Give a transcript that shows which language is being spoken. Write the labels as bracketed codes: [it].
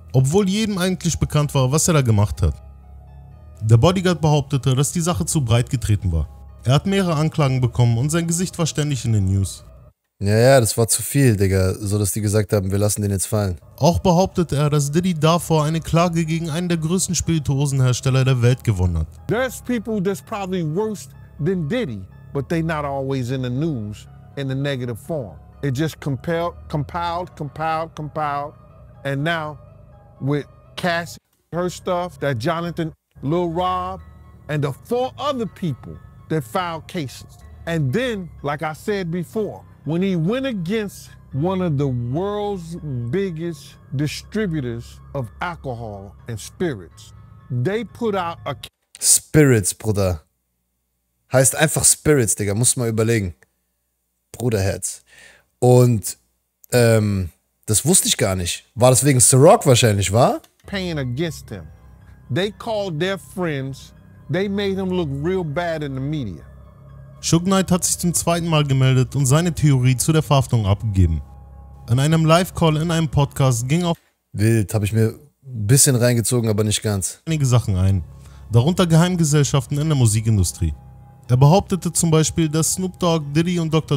[de] Obwohl jedem eigentlich bekannt war, was er da gemacht hat. Der Bodyguard behauptete, dass die Sache zu breit getreten war. Er hat mehrere Anklagen bekommen und sein Gesicht war ständig in den News. Ja, das war zu viel, Digga, so dass die gesagt haben, wir lassen den jetzt fallen. Auch behauptete er, dass Diddy davor eine Klage gegen einen der größten Spirituosenhersteller der Welt gewonnen hat. [en] There's people that's probably worse than Diddy, but they not always in the news in a negative form. It just compiled, and now with Cassie, her stuff, that Jonathan, Lil Rob, and the four other people that filed cases. And then, like I said before, when he went against one of the world's biggest distributors of alcohol and spirits, they put out a... [de] Spirits, Bruder. Heißt einfach Spirits, Digga. Muss mal überlegen. Bruderherz. Und, das wusste ich gar nicht. War das wegen Ciroc wahrscheinlich, wa? [en] Paying against him. They called their friends. They made him look real bad in the media. [de] Suge Knight hat sich zum zweiten Mal gemeldet und seine Theorie zu der Verhaftung abgegeben. In einem Live-Call in einem Podcast ging auf... Wild, habe ich mir ein bisschen reingezogen, aber nicht ganz. ...einige Sachen ein, darunter Geheimgesellschaften in der Musikindustrie. Er behauptete zum Beispiel, dass Snoop Dogg, Diddy und Dr.